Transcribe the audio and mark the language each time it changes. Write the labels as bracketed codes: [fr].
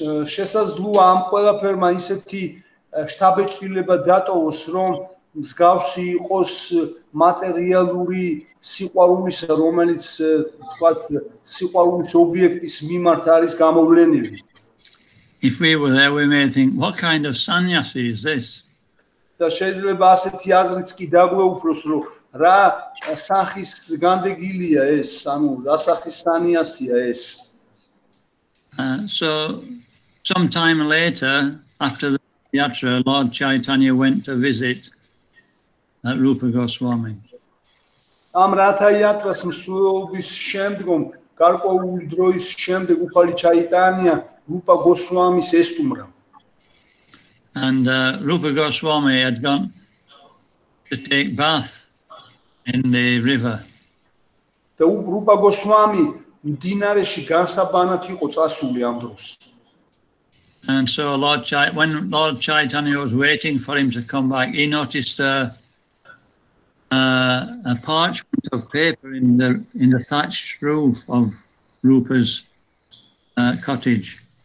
[ka] შესაძლოა ამ ყველაფერმა ისეთი შთაბეჭდილება დატოვოს, რომ მსგავსი იყოს მატერიალური სიყვარულისა, რომელიც თქვათ სიყვარულის ობიექტის მიმართ არის გამოვლენილი. [en] If we were there, we may think, what kind of sannyasi is this? [ka] Და შეიძლება ასეთი აზრიც კი დაგვეუფროს, რომ რა სახის განდეგილია ეს, ანუ რა სახის სანიასია ეს. [en] So some time later, after the yatra, Lord Chaitanya went to visit Rupa Goswami. [ka] Ამ რათა იატრას მსვლელობის შემდგომ, გარკვეულ დროის შემდეგ უფალი ჩაიტანია რუპა გოსვამის ესტუმრა. [en] And Rupa Goswami had gone to take bath in the river. [ka] The Rupa Goswami მდინარეში განსაბანათ იყო წასული ამ დროს. [en] And so Lord Chaitanya, when Lord Chaitanya was waiting for him to come back, he noticed a parchment of paper in the thatched roof of Rupa's cottage.